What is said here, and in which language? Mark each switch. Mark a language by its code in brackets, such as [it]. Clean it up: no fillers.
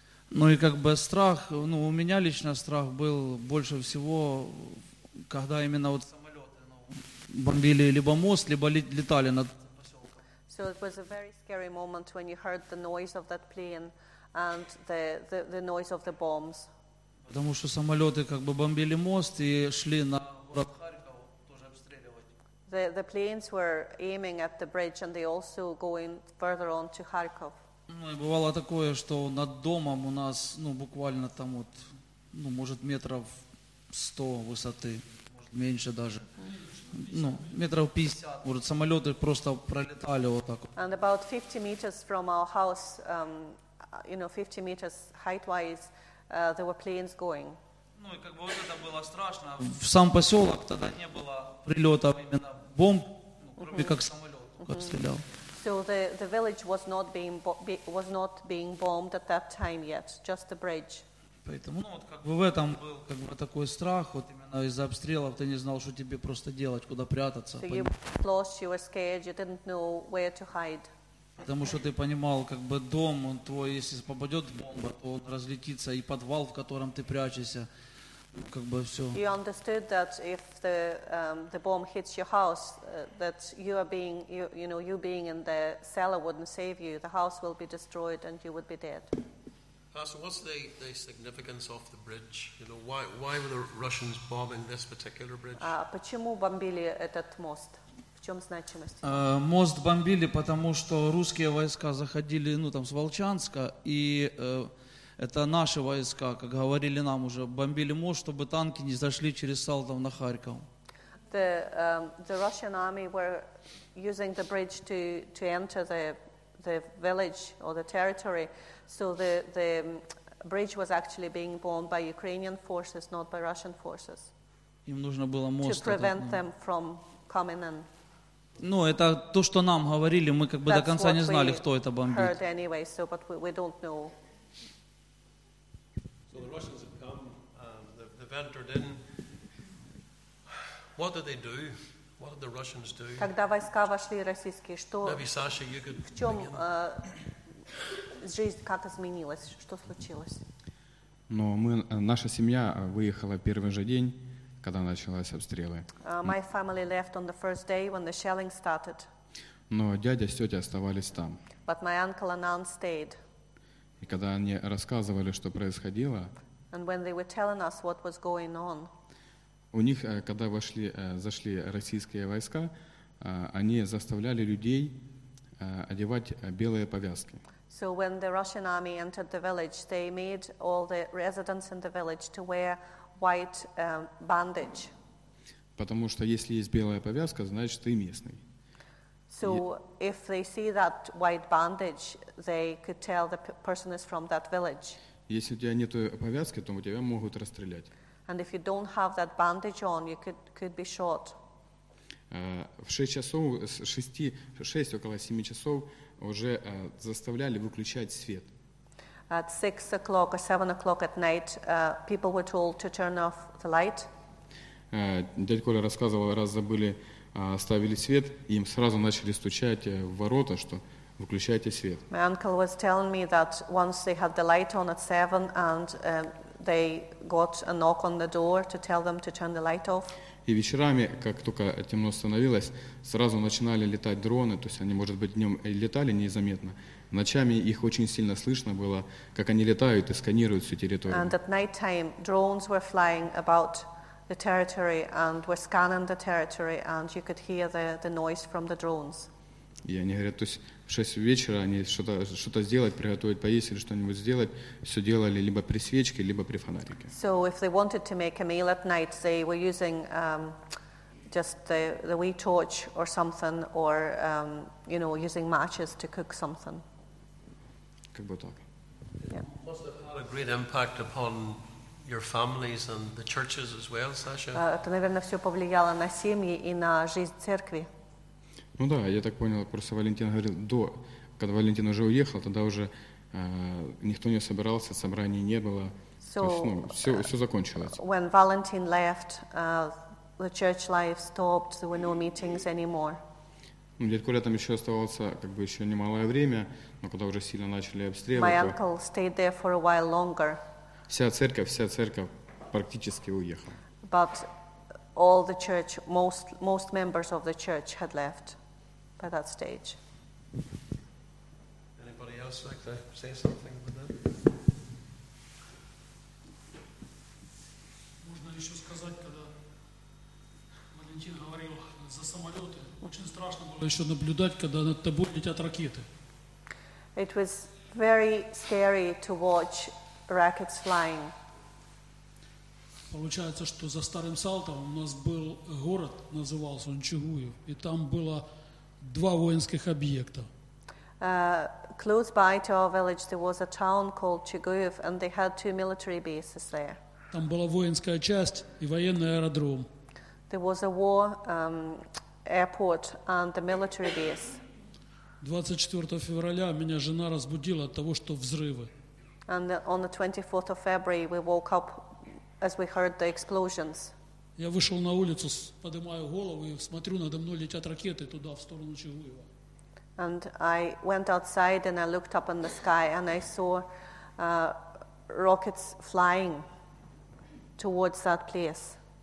[ru] Ну и как бы страх, ну, у меня лично страх был больше всего, когда именно вот самолеты, ну, бомбили либо мост, либо летали над поселком. [en] So it was a very scary moment when you heard the noise of that plane and the noise of the bombs. [ru] Потому что самолеты как бы бомбили мост и шли на город Харьков тоже обстреливать. [en] The planes were aiming at the bridge and they also going further on to Kharkov. [ru] Ну и бывало такое, что над домом у нас, ну, буквально там вот, ну, может, метров 100 высоты, может, меньше даже. Ну, метров 50, может, самолеты просто пролетали вот так. [en] And about 50 meters from our house, you know, 50 meters height-wise, there were planes going. [ru] Ну и как бы вот это было страшно. В сам поселок тогда не было прилета именно бомб, кроме как самолет обстрелял. [en] So the village was not being was not being bombed at that time yet, just the bridge. [ru] Поэтому, ну, вот как бы в этом был как бы такой страх, вот именно из-за обстрелов ты не знал, что тебе просто делать, куда прятаться. [en] So you lost, you were scared, you didn't know where to hide. [ru] Потому что ты понимал, как бы дом, он твой, если попадет бомба, то он разлетится, и подвал, в котором ты прячешься, как бы все. [en] You understood that if the bomb hits your house, that you are being, you know, you being in the cellar wouldn't save you. The house will be destroyed and you would be dead. Pastor, what's the significance of the bridge? You know, why were the Russians bombing this particular bridge? [ru] Почему бомбили этот мост? В чем значимость? Мост бомбили, потому что русские войска заходили, ну, там, с Волчанска, и это наши войска, как говорили нам уже, бомбили мост, чтобы танки не зашли через Салтов на Харьков. [en] The Russian army were using the bridge to enter the village or the territory, so the bridge was actually being bombed by Ukrainian forces, not by Russian forces. [ru] Им нужно было мост. [en] To prevent [ru] этот, ну, [en] them from coming in. [ru] Ну, это то, что нам говорили, мы как бы [en] That's [ru] до конца не знали, кто это бомбит. [en] Heard anyway, so, but we don't know. So the Russians have come, they've entered in. What did they do? What did the Russians do? [ru] Когда войска вошли российские, что? [en] Maybe Sasha, you could. [ru] В чем жизнь как изменилась? Что случилось? Но мы, наша семья выехала первый же день, когда начались обстрелы. [en] My family left on the first day when the shelling started. [ru] Но дядя с тетей оставались там. [en] But my uncle and aunt stayed. [ru] И когда они рассказывали, что происходило, [en] and when they were telling us what was going on, [ru] у них, когда вошли, зашли российские войска, они заставляли людей одевать белые повязки. [en] So when the Russian army entered the village, they made all the residents in the village to wear white bandage. [ru] Потому что если есть белая повязка, значит ты местный. [en] So if they see that white bandage, they could tell the person is from that village. [ru] Если у тебя нет повязки, то тебя могут расстрелять. [en] And if you don't have that bandage on, you could be shot. [ru] В 6 часов, с 6, 6 около 7 часов уже заставляли выключать свет. [en] At 6 o'clock or 7 o'clock at night, people were told to turn off the light. [ru] Дядя Коля рассказывал, раз забыли, оставили свет, им сразу начали стучать в ворота, что выключайте свет. [en] My uncle was telling me that once they had the light on at 7 and they got a knock on the door to tell them to turn the light off. [ru] И вечерами, как только темно становилось, сразу начинали летать дроны, то есть они, может быть, днем летали незаметно. Ночами их очень сильно слышно было, как они летают и сканируют всю территорию. [en] And at night time, drones were flying about the territory and were scanning the territory, and you could hear the noise from the drones. [ru] И они говорят, то есть в 6 вечера они что-то сделать, приготовить поесть или что-нибудь сделать, все делали либо при свечке, либо при фонарике. [en] So if they wanted to make a meal at night, they were using just the wee torch or something, or you know, using matches to cook something. [ru] Как бы так. [en] Yeah. Must have had a great impact upon your families and the churches as well, Sasha. [ru] Это, наверное, все повлияло на семьи и на жизнь церкви. Ну да, я так понял, просто Валентин говорил, когда Валентин уже уехал, тогда уже никто не собирался, собраний не было. [en] So, [ru] то есть, ну, все закончилось. [en] When Valentin left, the church life stopped. There were no meetings anymore. [ru] Ну, дядь Коля там еще оставался, как бы еще немалое время, но когда уже сильно начали обстрелы. [en] My uncle stayed there for a while longer. [ru] Вся церковь практически уехала. [en] But all the church, most members of the church had left by that stage. Anybody else like to say something about that? [ru] Можно еще сказать, когда Валентин говорил за самолеты, очень страшно было еще наблюдать, когда над тобой летят ракеты. [en] It was very scary to watch rockets flying. [ru] Получается, что за старым Салтовым у нас был город, назывался он Чугуев, и там было два воинских объекта. [en] Close by to our village there was a town called Чугуев, and they had two military bases there. [ru] Там была воинская часть и военный аэродром. [en] There was a war airport and the military base. [ru] 24 февраля меня жена разбудила от того, что взрывы. [en] And on the 24th of February we woke up as we heard the explosions. [ru] Я вышел на улицу, поднимаю голову и смотрю, надо мной летят ракеты туда, в сторону Чугуева. [en] And I went outside and I looked up in the sky and I saw rockets flying towards that place.